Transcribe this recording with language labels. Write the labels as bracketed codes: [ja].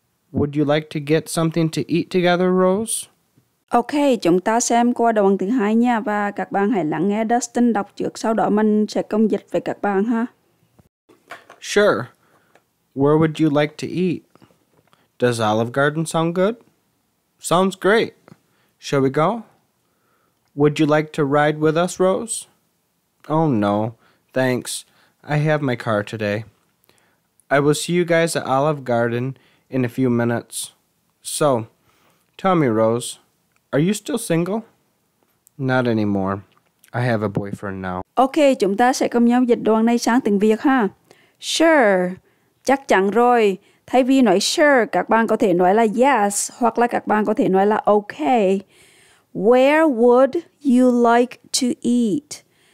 [en] Would you like to get something to eat together, Rose? [vi] Okay, chúng ta xem qua đoạn thứ hai nha và các bạn hãy lắng nghe Dustin đọc trước, sau đó mình sẽ công dịch với các bạn ha. [en] Sure. Where would you like to eat? Does Olive Garden sound good? Sounds great. Shall we go? Would you like to ride with us, Rose? Oh, no. Thanks. I have my car today. I will see you guys at Olive Garden in a few minutes. So, tell me, Rose, are you still single? Not anymore. I have a boyfriend now. [vi] Okay, chúng ta sẽ cùng nhau dịch đoạn này sang tiếng Việt ha. Sure. Chắc chắn rồi. Thay vì nói sure, các bạn có thể nói là yes, hoặc là các bạn có thể nói là okay. [en] Where would you like to eat?